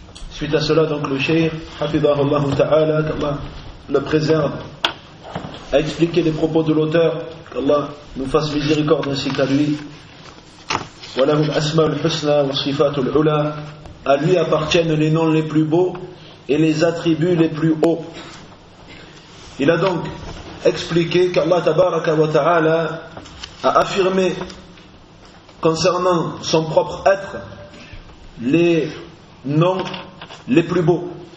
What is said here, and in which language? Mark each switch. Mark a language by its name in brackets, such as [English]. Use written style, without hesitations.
[French] Suite à cela, donc le Cheikh, Hafidahullah Ta'ala, qu'Allah le préserve, a expliqué les propos de l'auteur, qu'Allah nous fasse miséricorde ainsi qu'à lui. [Arabic] وله الأسماء الحسنى والصفات العلى. [French] À lui appartiennent les noms les plus beaux et les attributs les plus hauts. Il a donc expliqué qu'Allah tabaraka wa ta'ala a affirmé concernant son propre être les noms les plus beaux.